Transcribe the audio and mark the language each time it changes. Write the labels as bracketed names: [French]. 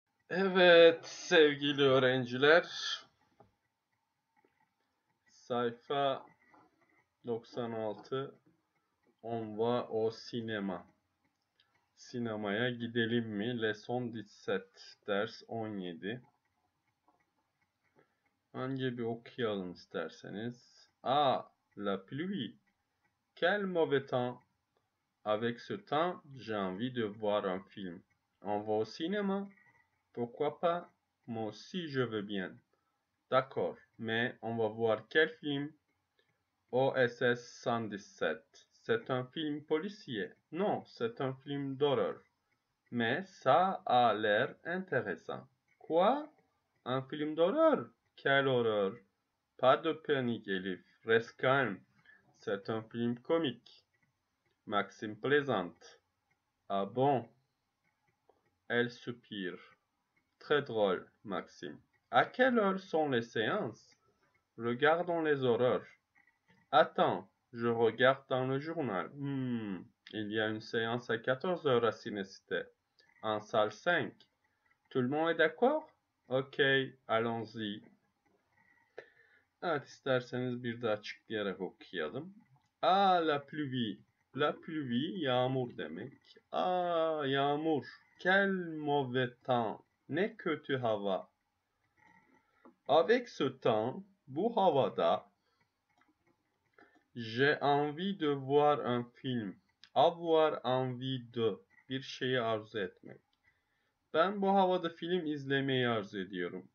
[Turkish] Evet sevgili öğrenciler, sayfa 96, [French] on va au cinema. [Turkish] Sinemaya gidelim mi? [French] Leçon 17, [Turkish] ders 17. Önce bir okuyalım isterseniz. [French] Ah, la pluie. Quel mauvais temps. Avec ce temps, j'ai envie de voir un film. On va au cinéma. Pourquoi pas? Moi aussi, je veux bien. D'accord, mais on va voir quel film? OSS 117. C'est un film policier. Non, c'est un film d'horreur. Mais ça a l'air intéressant. Quoi? Un film d'horreur? Quelle horreur! Pas de panique, Elif. Reste calme. C'est un film comique. Maxime plaisante. Ah bon? Elle soupire. Très drôle, Maxime. À quelle heure sont les séances? Regardons les horaires. Attends, je regarde dans le journal. Il y a une séance à 14h à Cinécité, en salle 5. Tout le monde est d'accord? Ok, allons-y. [Turkish] Evet, isterseniz bir daha açıklayarak okuyalım. [French] Ah, la pluie. La pluie, [Turkish] yağmur demek. [French] Ah, yağmur. Quel mauvais temps. [Turkish] Ne kötü hava. [French] Avec ce temps, [Turkish] bu havada, [French] j'ai envie de voir un film. Avoir envie de. [Turkish] Bir şeyi arzu etmek. Ben bu havada film izlemeyi arzu ediyorum.